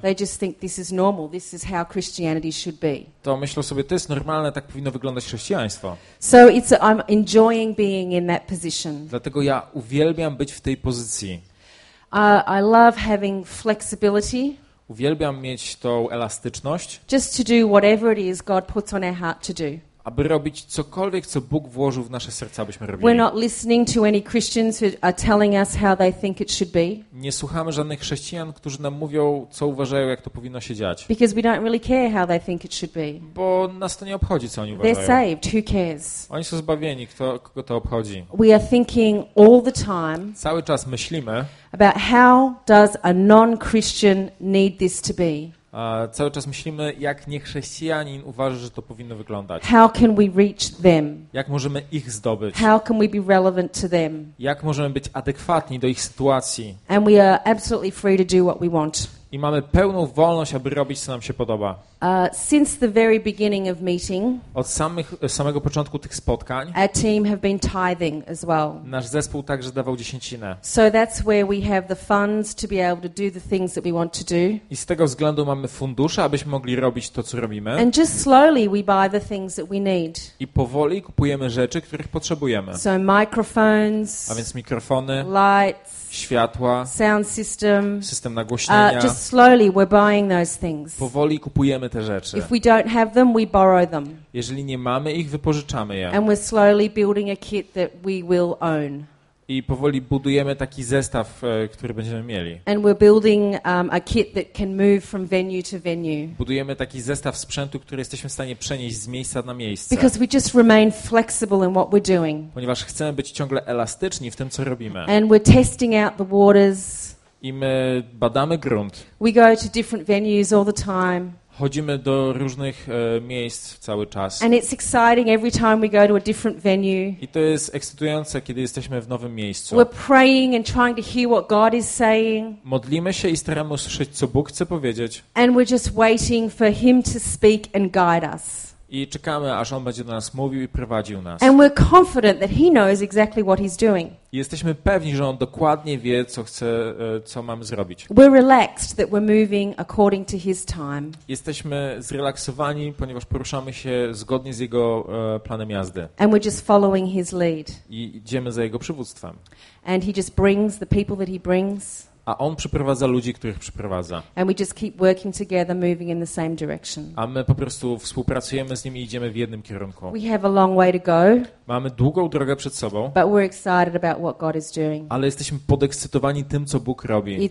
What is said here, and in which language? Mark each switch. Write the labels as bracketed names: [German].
[English] they just think this is normal, this is how Christianity should be. [Polish] To myślą sobie, to jest normalne, tak powinno wyglądać chrześcijaństwo. [English] So it's I'm enjoying being in that position. [Polish] Dlatego ja uwielbiam być w tej pozycji. [English] I love having flexibility. [Polish] Uwielbiam mieć tą elastyczność. [English] Just to do whatever it is God puts on our heart to do. [Polish] Aby robić cokolwiek, co Bóg włożył w nasze serca, abyśmy robili. [English] We're not listening to any Christians who are telling us how they think it should be. [Polish] Nie słuchamy żadnych chrześcijan, którzy nam mówią, co uważają, jak to powinno się dziać. [English] Because we don't really care how they think it should be. [Polish] Bo nas to nie obchodzi, co oni uważają. [English] They're saved. Who cares? [Polish] Oni są zbawieni, kogo to obchodzi. [English] We are thinking all the time. [Polish] Cały czas myślimy. [English] About how does a non-Christian need this to be? [Polish] Cały czas myślimy, jak niechrześcijanin uważa, że to powinno wyglądać. [English] How can we reach them? [Polish] Jak możemy ich zdobyć? [English] How can we be relevant to them? [Polish] Jak możemy być adekwatni do ich sytuacji? [English] And we are absolutely free to do what we want. [Polish] I mamy pełną wolność, aby robić, co nam się podoba. [English] Since the very beginning of meeting, [Polish] od samego początku tych spotkań, [English] our team have been tithing as well. [Polish] Nasz zespół także dawał dziesięcinę. [English] So that's where we have the funds to be able to do the things that we want to do. [Polish] I z tego względu mamy fundusze, abyśmy mogli robić to, co robimy. [English] And just slowly we buy the things that we need. [Polish] I powoli kupujemy rzeczy, których potrzebujemy. [English] So microphones, [Polish] a więc mikrofony, [English] lights, [Polish] światła, [English] sound system, [Polish] system nagłośnienia. [English] Just slowly we're buying those things. [Polish] Powoli kupujemy te rzeczy. [English] If we don't have them, we borrow them. [Polish] Jeżeli nie mamy ich, wypożyczamy je. [English] And we're slowly building a kit that we will own. [Polish] I powoli budujemy taki zestaw, który będziemy mieli. [English] And we're building a kit that can move from venue to venue. [Polish] Budujemy taki zestaw sprzętu, który jesteśmy w stanie przenieść z miejsca na miejsce. [English] Because we just remain flexible in what we're doing. [Polish] Ponieważ chcemy być ciągle elastyczni w tym, co robimy. [English] And we're testing out the waters. [Polish] I my badamy grunt. [English] We go to different venues all the time. [Polish] Chodzimy do różnych miejsc cały czas. [English] And it's exciting every time we go to a different venue. [Polish] I to jest ekscytujące, kiedy jesteśmy w nowym miejscu. [English] We're praying and trying to hear what God is saying. [Polish] Modlimy się i staramy usłyszeć, co Bóg chce powiedzieć. [English] And we're just waiting for him to speak and guide us. [Polish] I czekamy, aż on będzie do nas mówił i prowadził nas. [English] And we're confident that he knows exactly what he's doing. [Polish] I jesteśmy pewni, że on dokładnie wie, co chce, co mam zrobić. [English] We're relaxed that we're moving according to his time. [Polish] Jesteśmy zrelaksowani, ponieważ poruszamy się zgodnie z jego planem jazdy. [English] And we're just following his lead. [Polish] I idziemy za jego przywództwem. [English] And he just brings the people that he brings. [Polish] A on przyprowadza ludzi, których przyprowadza. [English] And we just keep working together, moving in the same direction. [Polish] A my po prostu współpracujemy z nim i idziemy w jednym kierunku. [English] We have a long way to go. [Polish] Mamy długą drogę przed sobą. [English] But we're excited about what God is doing. [Polish] Ale jesteśmy podekscytowani tym, co Bóg robi.